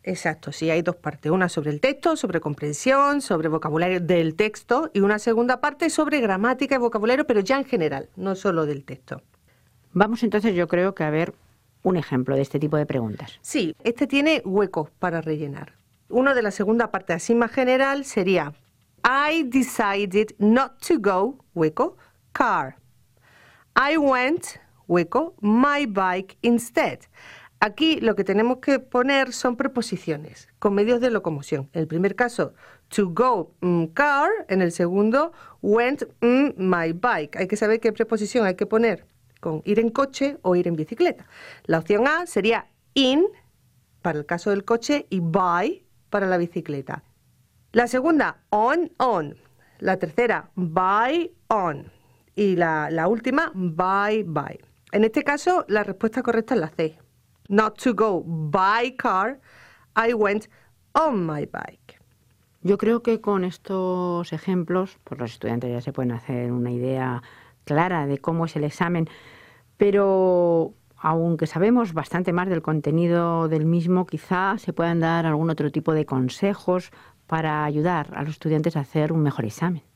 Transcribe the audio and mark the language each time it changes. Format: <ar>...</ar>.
<es>Exacto, sí, hay dos partes, una sobre el texto, sobre comprensión, sobre vocabulario del texto, y una segunda parte sobre gramática y vocabulario, pero ya en general, no solo del texto. Vamos entonces, yo creo que a ver un ejemplo de este tipo de preguntas. Sí, este tiene huecos para rellenar. Uno de la segunda parte, así más general, sería</es> <en>I decided not to go,</en> <es>hueco, car.</es> <en>I went,</en> <es>hueco,</es> <en>my bike instead.</en> <es>Aquí lo que tenemos que poner son preposiciones con medios de locomoción. En el primer caso,</es> <en>to go, car.</en> <es>En el segundo,</es> <en>went, my bike.</en> <es>Hay que saber qué preposición hay que poner con ir en coche o ir en bicicleta. La opción A sería in, para el caso del coche, y by, para la bicicleta. La segunda, on. La tercera, by, on. Y la última, by. En este caso, la respuesta correcta es la C.</es> <en>Not to go by car, I went on my bike.</en> <es>Yo creo que con estos ejemplos, pues los estudiantes ya se pueden hacer una idea clara de cómo es el examen, pero aunque sabemos bastante más del contenido del mismo, quizá se puedan dar algún otro tipo de consejos para ayudar a los estudiantes a hacer un mejor examen.</es>